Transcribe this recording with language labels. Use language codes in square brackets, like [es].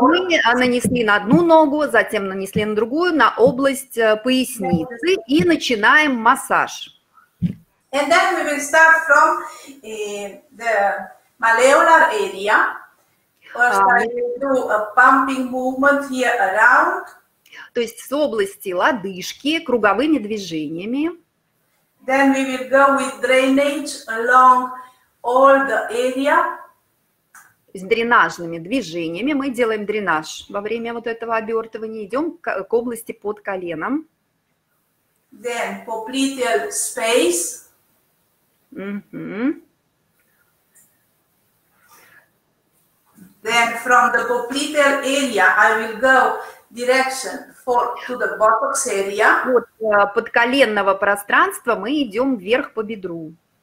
[ru] Мы нанесли на одну ногу, затем нанесли на другую, на область поясницы, и начинаем массаж. [en] And then we will start from the malleolar area. First, I will do a pumping movement here around. [ru] То есть с области лодыжки круговыми движениями. [en] Then we will go with drainage along all the area. [ru] С дренажными движениями мы делаем дренаж во время вот этого обертывания. Идем к области под коленом. [en] Then popliteal space. Then from the popliteal area I will go direction for to the buttock area. [ru] Вот под коленного пространства мы идем вверх по бедру.